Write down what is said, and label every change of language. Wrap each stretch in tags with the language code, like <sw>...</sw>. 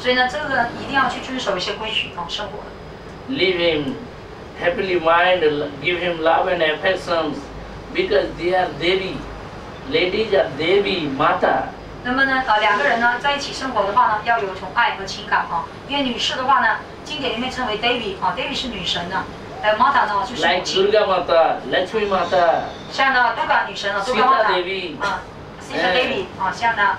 <zh>所以呢，这个一定要去遵守一些规矩，生活。</zh> <en>Leave him happily mind, give him love and affections, because they are devi, ladies are devi mata.</en> <zh>那么呢，两个人呢在一起生活的话呢，要有一种爱和情感因为女士的话呢，经典里面称为 devi devi 是女神呢。 Mata 呢就是</zh> <en>like Durga Mata, Lakshmi Mata,</en> <zh>像呢杜嘎女神啊，</zh> <en>Sita Devi,</en> <zh>像呢</zh>